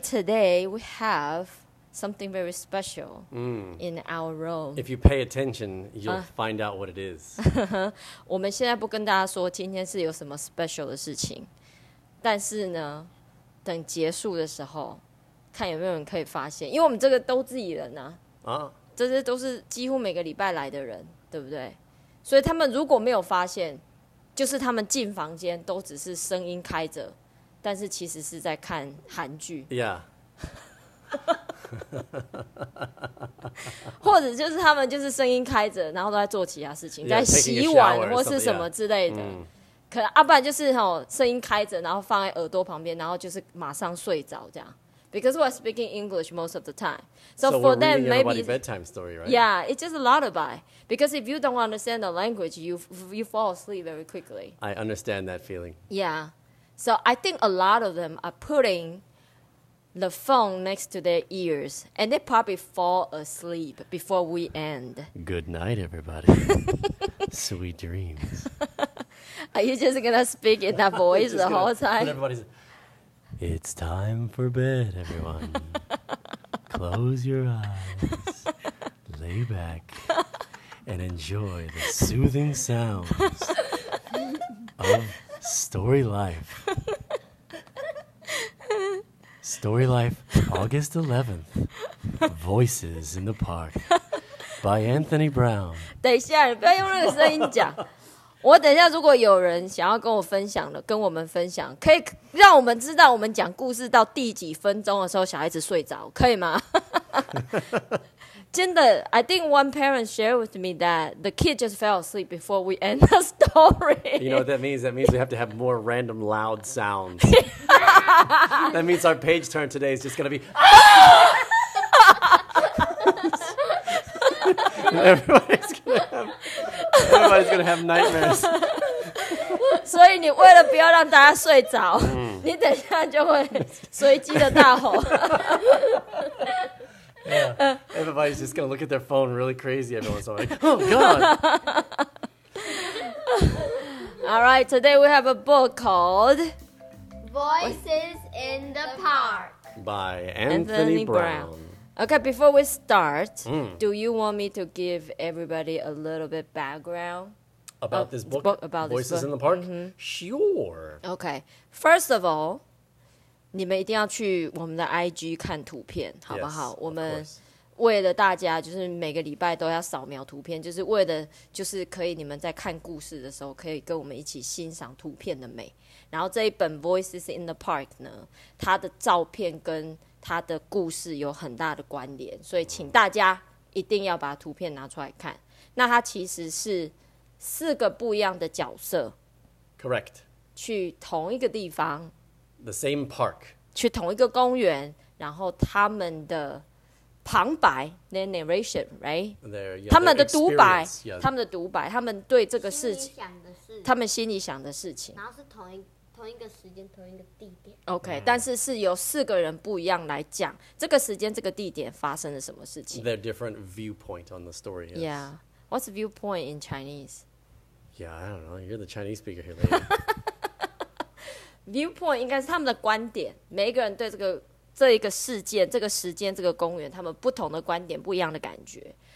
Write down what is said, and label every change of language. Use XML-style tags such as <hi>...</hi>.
<en>Today we have something very special in our room. If you pay attention, you'll find out what it is.</en> <zh>我们现在不跟大家说今天是有什么 special 的事情，但是呢，等结束的时候，看有没有人可以发现，因为我们这个都自己人啊，这些都是几乎每个礼拜来的人，对不对？所以他们如果没有发现，就是他们进房间都只是声音开着，但是其实是在看韩剧。</zh> <en>Yeah.</en> <zh>或者就是他们就是声音开着，然后都在做其他事情，在洗碗或是什么之类的。可能啊，不然就是吼声音开着，然后放在耳朵旁边，然后就是马上睡着这样。</zh> <en>Because we're speaking English most of the time, so, so for them, maybe bedtime story, right? Yeah, it's just a lullaby. Because if you don't understand the language, you fall asleep very quickly. I understand that feeling. Yeah, so I think a lot of them are putting the phone next to their ears, and they probably fall asleep before we end. Good night, everybody. Sweet dreams. Are you just gonna speak in that voice the whole time? It's time for bed, everyone. Close your eyes, lay back, and enjoy the soothing sounds of Story Life. Story Life, August 11th, Voices in the Park by Anthony Brown.</en> <zh>等一下，你不要用那个声音讲。我等一下，如果有人想要跟我分享的，跟我们分享，可以让我们知道我们讲故事到第几分钟的时候，小孩子睡着，可以吗？真的</zh> <en>，I think one parent shared with me that the kid just fell asleep before we end the story. You know what that means? That means we have to have more random loud sounds. That means our page turn today is just going to be. Everybody's gonna have nightmares.</en> <zh>所以你为了不要让大家睡着，你等一下就会随机的大吼。</zh> <en>Yeah, everybody's just gonna look at their phone really crazy. Everyone's like, oh god. All right, today we have a book called Voices in the Park by Anthony Brown. Okay, before we start, do you want me to give everybody a little bit background? About this book? About Voices this book. In the Park? Mm-hmm. Sure. Okay, first of all,</en> <zh>你们一定要去我们的 IG 看图片，好不好？</zh> <en>Yes,</en> <zh>我们为了大家，就是每个礼拜都要扫描图片，就是为了就是可以你们在看故事的时候可以跟我们一起欣赏图片的美。然后这一本 Voices in the Park 呢，它的照片跟他的故事有很大的关联，所以请大家一定要把图片拿出来看。那他其实是四个不一样的角色</zh> <en>，correct，</en> <zh>去同一个地方</zh> <en>，the same park，</en> <zh>去同一个公园，然后他们的旁白 ，</zh> <en>their narration， right， their, yeah,</en> <zh>他们的独白，</zh> <en>yeah.</en> <zh>他们的独白，他们对这个事情，心里想的事，他们心里想的事情，然后是同一个时间，同一个地点。 OK，但是由四个人不一样来讲这个时间、这个地点发生了什么事情。</zh> <en>Their different viewpoint on the story. Yes. Yeah. What's viewpoint in Chinese? Yeah, I don't know. You're the Chinese speaker here, lady.</en> <zh>Viewpoint 应该是他们的观点。每一个人对这一个事件、这个时间、这个公园，他们不同的观点、不一样的感觉。</zh>